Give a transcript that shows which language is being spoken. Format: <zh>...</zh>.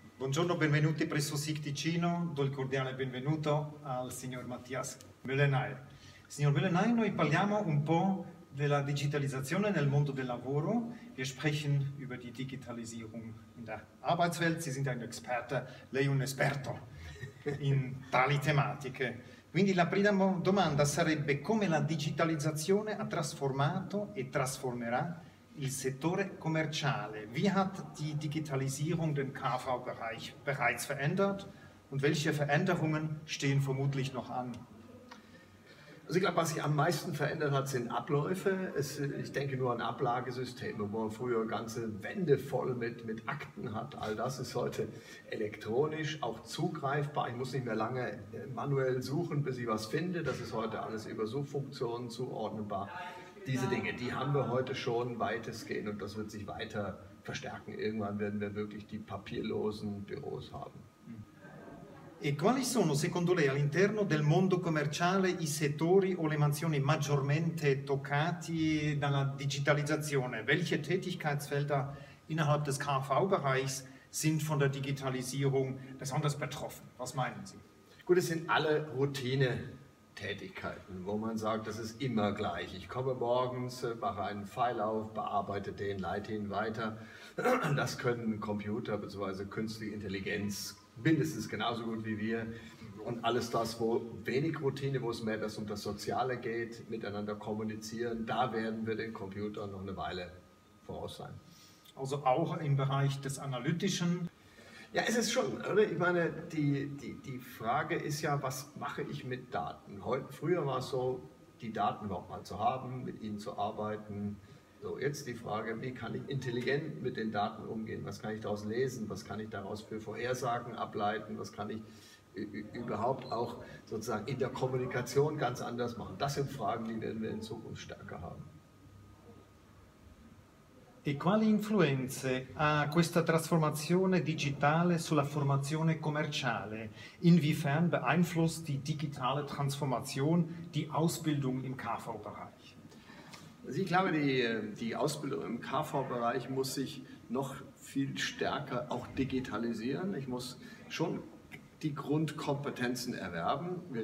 <it>Buongiorno, benvenuti presso SIC Ticino. Do il cordiale benvenuto al signor Mathias Möllenaar. Signor Möllenaar, noi parliamo un po' della digitalizzazione nel mondo del lavoro.</it> <de>Wir sprechen über die Digitalisierung in der Arbeitswelt. Sie sind ein Experte,</de> <it>lei un esperto</it> <de>in tali tematiche.</de> <it>Quindi la prima domanda sarebbe: come la digitalizzazione ha trasformato e trasformerà il settore commerciale?</it> <de>Wie hat die Digitalisierung den KV-Bereich bereits verändert und welche Veränderungen stehen vermutlich noch an? Also ich glaube, was sich am meisten verändert hat, sind Abläufe. Ich denke nur an Ablagesysteme, wo man früher ganze Wände voll mit Akten hat. All das ist heute elektronisch auch zugreifbar. Ich muss nicht mehr lange manuell suchen, bis ich was finde. Das ist heute alles über Suchfunktionen zuordnenbar. Diese Dinge, die haben wir heute schon weitestgehend und das wird sich weiter verstärken. Irgendwann werden wir wirklich die papierlosen Büros haben.</de> <it>E quali sono, secondo lei, all'interno del mondo commerciale i settori o le mansioni maggiormente toccati dalla digitalizzazione?</it> <de>Welche Tätigkeitsfelder innerhalb des KV-Bereichs sind von der Digitalisierung besonders betroffen? Was meinen Sie? Gut, es sind alle Routine. Tätigkeiten, wo man sagt, das ist immer gleich. Ich komme morgens, mache einen Pfeil auf, bearbeite den, leite ihn weiter. Das können Computer bzw. künstliche Intelligenz mindestens genauso gut wie wir. Und alles das, wo wenig Routine, wo es mehr das um das Soziale geht, miteinander kommunizieren, da werden wir den Computern noch eine Weile voraus sein. Also auch im Bereich des Analytischen. Ja, es ist schon, oder? Ich meine, die Frage ist ja, was mache ich mit Daten? Früher war es so, die Daten überhaupt mal zu haben, mit ihnen zu arbeiten. So, jetzt die Frage, wie kann ich intelligent mit den Daten umgehen? Was kann ich daraus lesen? Was kann ich daraus für Vorhersagen ableiten? Was kann ich überhaupt auch sozusagen in der Kommunikation ganz anders machen? Das sind Fragen, die werden wir in Zukunft stärker haben.</de> <it>E quali influenze ha questa trasformazione digitale sulla formazione commerciale?</it> <de>Inwiefern beeinflusst die digitale Transformation die Ausbildung im KV-Bereich? Also ich glaube, die Ausbildung im KV-Bereich muss sich noch viel stärker auch digitalisieren. Ich muss schon die Grundkompetenzen erwerben.</de>